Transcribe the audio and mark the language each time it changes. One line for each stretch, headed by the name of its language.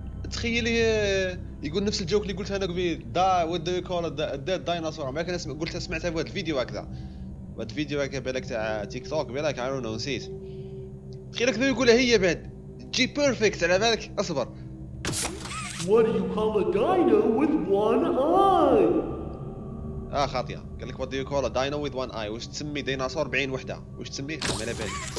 Arabic: تخيلي يقول نفس الجوك اللي قلتها انا قبيل.
English: What do you call a dead dinosaur?
Arabic: ما كان قلتها سمعتها في الفيديو هكذا. بعد فيديو هكا بالك تاع تيك توك بالك
English: I don't know
Arabic: نسيت خيرك ذو يقولها هي بعد جي بيرفكت على بالك اصبر
English: What do you call a dino with one eye?
Arabic: خاطئة قال لك
English: What do you call a dino with one eye?
Arabic: وش تسمي ديناصور بعين وحدة وش تسميه؟ ما على بالي